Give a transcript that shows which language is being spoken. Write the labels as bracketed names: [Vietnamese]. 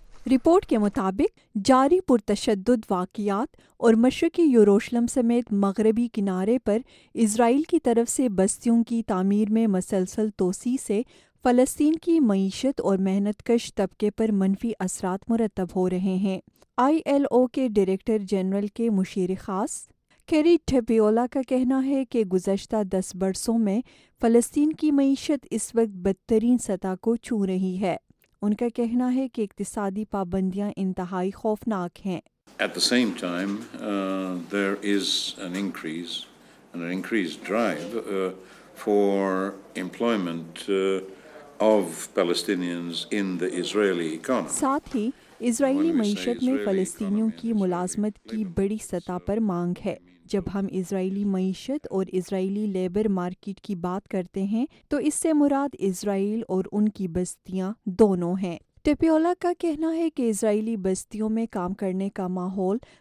[Urdu] Report کے مطابق جاری پرتشدد واقعات اور مشرقی یروشلم سمیت مغربی کنارے پر اسرائیل کی طرف سے بستیوں کی تعمیر میں مسلسل توسیع سے فلسطین کی معیشت اور محنت کش طبقے پر منفی اثرات مرتب ہو رہے ہیں۔ آئی ایل او کے ڈائریکٹر جنرل کے مشیر خاص کیری ٹھپیولا کا کہنا ہے کہ گزشتہ 10 برسوں میں فلسطین کی معیشت اس وقت بدترین سطح کو چھو رہی ہے۔ ان کا کہنا ہے کہ اقتصادی پابندیاں انتہائی خوفناک ہیں۔ [English] At the same time, there is an increase and an increased drive for employment of Palestinians in the Israeli economy. [Urdu] ساتھ ہی اسرائیلی معیشت میں فلسطینیوں کی ملازمت کی بڑی سطح پر مانگ ہے۔ جب ہم اسرائیلی معیشت اور اسرائیلی لیبر مارکیٹ کی بات کرتے ہیں تو اس سے مراد اسرائیل اور ان کی بستیاں دونوں ہیں۔ ٹپیولا کا کہنا ہے کہ اسرائیلی بستیوں میں کام کرنے کا ماحول